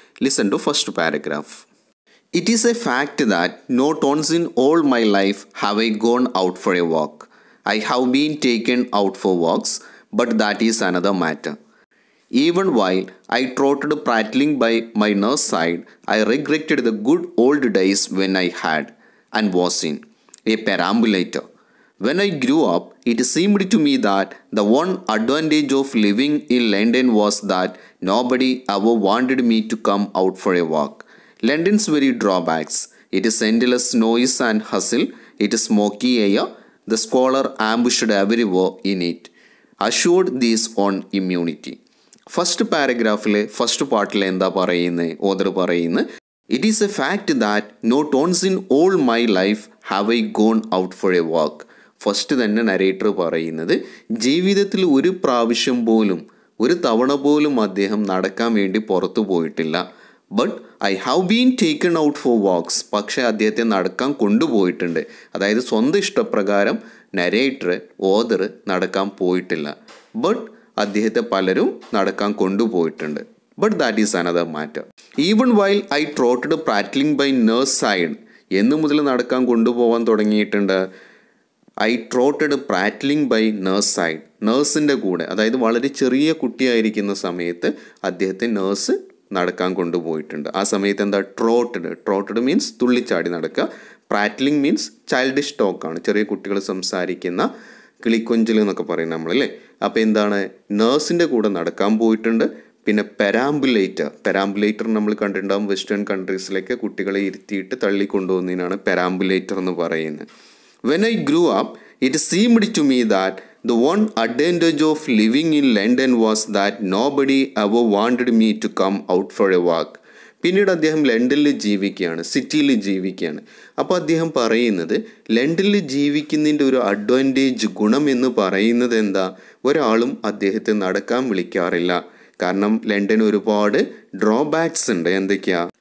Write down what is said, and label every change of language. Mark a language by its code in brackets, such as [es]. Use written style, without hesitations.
[en] Listen to first paragraph. It is a fact that not once in all my life have I gone out for a walk. I have been taken out for walks but that is another matter. Even while I trotted prattling by my nurse side I regretted the good old days when I had and was in a perambulator. When I grew up, it seemed to me that the one advantage of living in London was that nobody ever wanted me to come out for a walk. London's very drawbacks. It is endless noise and hustle. It is smoky air. The squalor ambushed everywhere in it. Assured this on immunity. First paragraph, first part, what are you saying? It is a fact that not once in all my life have I gone out for a walk. [ml] First തന്നെ narrator പറയുന്നത് ജീവിതത്തിൽ ഒരു പ്രാവശ്യം പോലും, ഒരു തവണ പോലും അദ്ദേഹം നടക്കാൻ വേണ്ടി പുറത്തു പോയിട്ടില്ല. [en] But I have been taken out for walks. [ml] പക്ഷേ അദ്ദേഹത്തെ നടക്കാൻ കൊണ്ടുപോയിട്ടുണ്ട്. അതായത് സ്വന്തം ഇഷ്ടപ്രകാരം നരേറ്റർ ഓദർ നടക്കാൻ പോയിട്ടില്ല, ബട്ട് അദ്ദേഹത്തെ പലരും നടക്കാൻ കൊണ്ടുപോയിട്ടുണ്ട്. [en] But that is another matter. Even while I trotted prattling by nurse side, [ml] എന്നു മുതൽ നടക്കാൻ കൊണ്ടുപോകാൻ തുടങ്ങിയിട്ടുണ്ട്. [en] I trotted prattling by nurse side, [ml] നേഴ്സിൻ്റെ കൂടെ, അതായത് വളരെ ചെറിയ കുട്ടിയായിരിക്കുന്ന സമയത്ത് അദ്ദേഹത്തെ നേഴ്സ് നടക്കാൻ കൊണ്ടുപോയിട്ടുണ്ട്. ആ സമയത്ത് എന്താ ട്രോട്ടഡ്? ട്രോട്ടഡ് മീൻസ് തുള്ളിച്ചാടി നടക്കുക. പ്രാറ്റ്ലിംഗ് മീൻസ് ചൈൽഡിഷ് ടോക്കാണ്, ചെറിയ കുട്ടികൾ സംസാരിക്കുന്ന കിളിക്കൊഞ്ചിൽ എന്നൊക്കെ പറയും നമ്മളല്ലേ. അപ്പോൾ എന്താണ്, നേഴ്സിൻ്റെ കൂടെ നടക്കാൻ പോയിട്ടുണ്ട്. പിന്നെ പെരാംബുലേറ്റർ, പെരാംബുലേറ്റർ നമ്മൾ കണ്ടിട്ടുണ്ടാകും വെസ്റ്റേൺ കൺട്രീസിലേക്ക് കുട്ടികളെ ഇരുത്തിയിട്ട് തള്ളിക്കൊണ്ടുപോകുന്നതിനാണ് പെരാംബുലേറ്റർ എന്ന് പറയുന്നത്. [en] When I grew up, it seemed to me that the one advantage of living in London was that nobody ever wanted me to come out for a walk. [ml] പിന്നീട് അദ്ദേഹം ലണ്ടനിൽ ജീവിക്കുകയാണ്, സിറ്റിയിൽ ജീവിക്കുകയാണ്. അപ്പോൾ അദ്ദേഹം പറയുന്നത് ലണ്ടനിൽ ജീവിക്കുന്നതിൻ്റെ ഒരു അഡ്വാൻറ്റേജ് ഗുണം എന്ന് പറയുന്നത് എന്താ, ഒരാളും അദ്ദേഹത്തെ നടക്കാൻ വിളിക്കാറില്ല. കാരണം ലണ്ടൻ ഒരുപാട് ഡ്രോബാക്സ് ഉണ്ട്. എന്തൊക്കെയാ?